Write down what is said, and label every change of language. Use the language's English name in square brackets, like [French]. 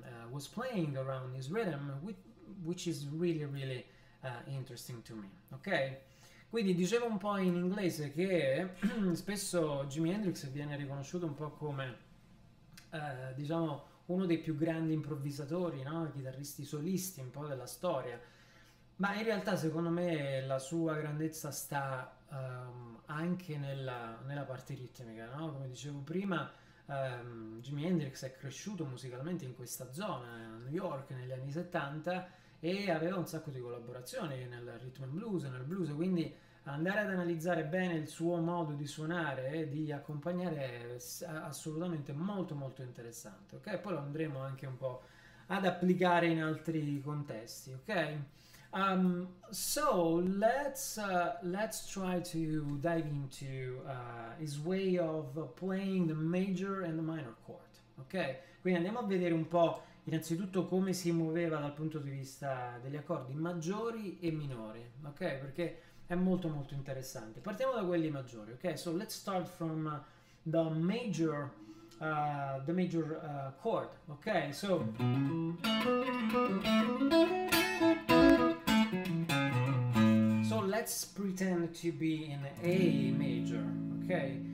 [English] was playing around his rhythm, which is really, really interesting to me. Ok? [Italian] Quindi dicevo un po' in inglese che spesso Jimi Hendrix viene riconosciuto un po' come diciamo uno dei più grandi improvvisatori, no? Chitarristi solisti un po' della storia, ma in realtà secondo me la sua grandezza sta anche nella parte ritmica, no? Come dicevo prima, Jimi Hendrix è cresciuto musicalmente in questa zona, a New York negli anni 70, e aveva un sacco di collaborazioni nel rhythm and blues, nel blues, quindi andare ad analizzare bene il suo modo di suonare e di accompagnare è assolutamente molto molto interessante, ok? Poi lo andremo anche un po' ad applicare in altri contesti, ok? [English] So let's try to dive into his way of playing the major and the minor chord, ok? [Italian] Quindi andiamo a vedere un po' innanzitutto come si muoveva dal punto di vista degli accordi maggiori e minori, ok? Perché è molto molto interessante. Partiamo da quelli maggiori, ok? [English] So let's start from the major chord, ok? So let's pretend to be in A major, ok?